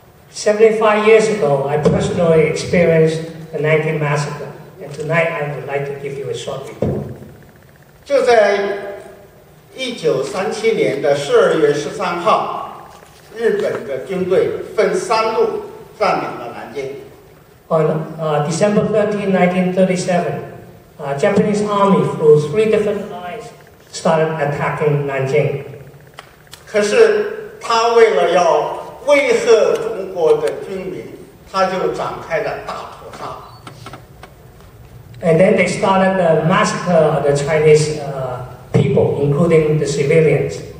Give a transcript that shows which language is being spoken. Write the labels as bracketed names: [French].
[English] 75 years ago, I personally experienced the Nanking Massacre, and tonight I would like to give you a short report. [Chinese] 就在1937年的12月13号, 日本的军队分三路占领了南京。 [English] On December 13, 1937, Japanese army through three different lines started attacking Nanjing. [Chinese] 可是他为了要威吓中国的军民，他就展开了大屠杀。 [English] And then they started the massacre of the Chinese people, including the civilians.